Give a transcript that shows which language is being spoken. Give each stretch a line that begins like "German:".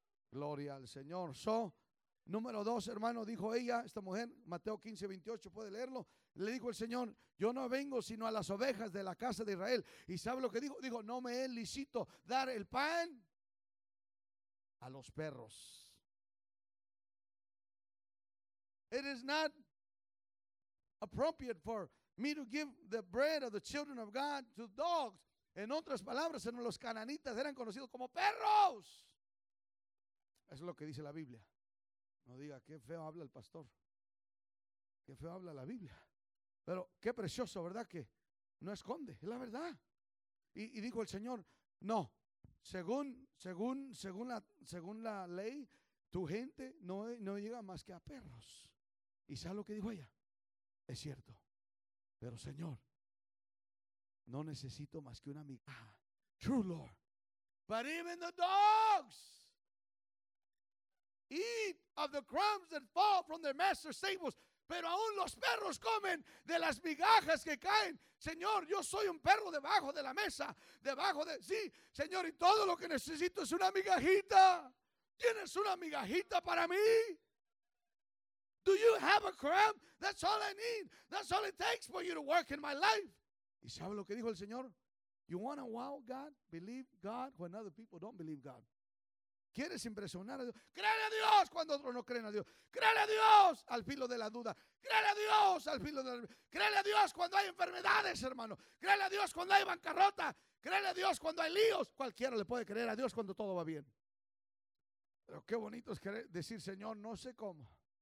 Spanish: Gloria al Señor. So, número dos, hermano, dijo ella, esta mujer, Mateo 15, 28, puede leerlo. Le dijo el Señor, yo no vengo sino a las ovejas de la casa de Israel. ¿Y sabe lo que dijo? Dijo, no me es lícito dar el pan a los perros.
English: It is not appropriate for me to give the bread of the children of God to dogs.
Spanish: En otras palabras, los cananitas eran conocidos como perros. Eso es lo que dice la Biblia. No diga, qué feo habla el pastor. Qué feo habla la Biblia. Pero qué precioso, ¿verdad? Que no esconde, es la verdad. Y dijo el Señor, no. Según la ley, tu gente no llega más que a perros. ¿Y sabes lo que dijo ella? Es cierto. Pero Señor, no necesito más que una migaja.
English: True Lord. But even the dogs eat of the crumbs that fall from their master's tables.
Spanish: Pero aún los perros comen de las migajas que caen. Señor, yo soy un perro debajo de la mesa. Sí, Señor, y todo lo que necesito es una migajita. ¿Tienes una migajita para mí?
English: Do you have a crumb? That's all I need. That's all it takes for you to work in my life.
Spanish: ¿Y sabe lo que dijo el Señor?
English: You want to wow God? Believe God when other people don't believe God.
Spanish: ¿Quieres impresionar a Dios? ¡Créele a Dios cuando otros no creen a Dios! ¡Créele a Dios al filo de la duda! ¡Créele a Dios al filo de la duda! ¡Créele a Dios cuando hay enfermedades, hermano! ¡Créele a Dios cuando hay bancarrota! ¡Créele a Dios cuando hay líos! Cualquiera le puede creer a Dios cuando todo va bien. Pero qué bonito es decir, Señor, no sé cómo.